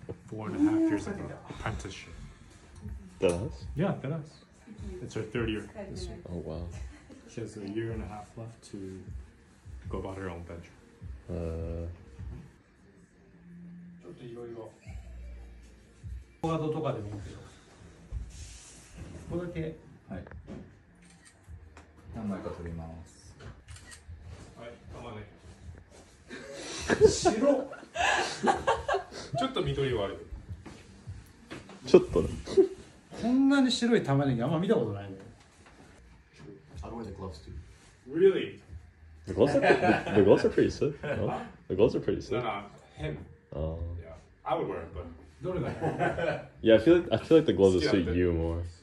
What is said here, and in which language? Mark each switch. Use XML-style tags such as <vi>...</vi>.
<en>4.5 years of apprenticeship. Deadass? Yeah, deadass. It's her third year this year. Oh, wow. She has a year and a half left to go about her own venture.</en> <ja>コードとかでもいいけど、ここだけ。はい、何枚か取ります。はい、玉ねぎ白ちょっと緑はある、ちょっとね。こんなに白い玉ねぎあんま見たことないね。</ja> <en>I don't wear the gloves too. Really? The gloves are pretty, the gloves are pretty sick. No? The gloves are pretty sick. No, him. Yeah. I would wear it, but...</en> <ja>どれだよ?</ja> <en>Yeah, I feel like the gloves suit you more.</en>